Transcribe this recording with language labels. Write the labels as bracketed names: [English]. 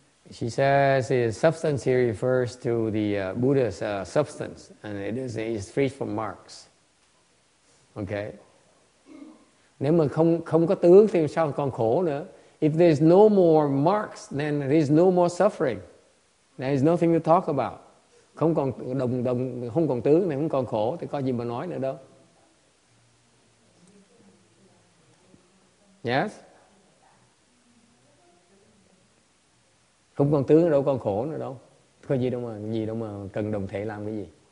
[English] She says his substance here refers to the Buddha's substance, and it is free from marks. Okay. [Vietnamese] Nếu mà không có tướng thì sao còn khổ nữa? [English] If there's no more marks, then there's no more suffering. There is nothing to talk about. [Vietnamese] Không còn đồng không còn tướng thì không còn khổ thì có gì mà nói nữa đâu. [English] Yes. [Vietnamese] Không còn tướng đâu, còn khổ nữa đâu. Có gì đâu mà cần đồng thể làm cái gì.